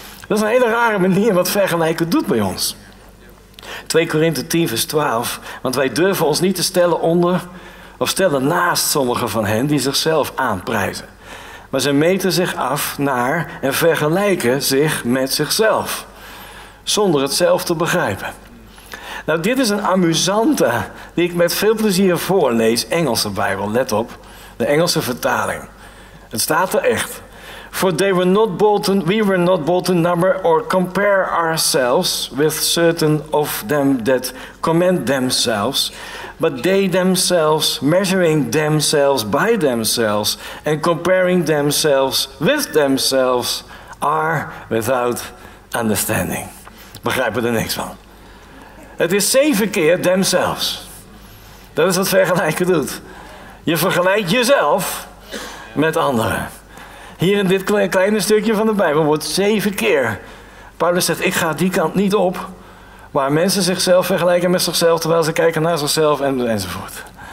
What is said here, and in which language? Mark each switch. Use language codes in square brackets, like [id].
[nl] Dat is een hele rare manier wat vergelijken doet bij ons. 2 Korinthe 10 vers 12, want wij durven ons niet te stellen onder of stellen naast sommigen van hen die zichzelf aanprijzen. Maar ze meten zich af naar en vergelijken zich met zichzelf. Zonder het zelf te begrijpen. Nou, dit is een amusante die ik met veel plezier voorlees. Engelse Bijbel, let op. De Engelse vertaling. Het staat er echt. [en] For they were not bold to, we were not bold to number or compare ourselves with certain of them that commend themselves. But they themselves, measuring themselves by themselves and comparing themselves with themselves, are without understanding. [nl] Begrijpen er niks van. Het is 7 keer themselves. Dat is wat vergelijken doet. Je vergelijkt jezelf met anderen. Hier in dit kleine stukje van de Bijbel wordt 7 keer. Paulus zegt, ik ga die kant niet op. Waar mensen zichzelf vergelijken met zichzelf, terwijl ze kijken naar zichzelf enzovoort.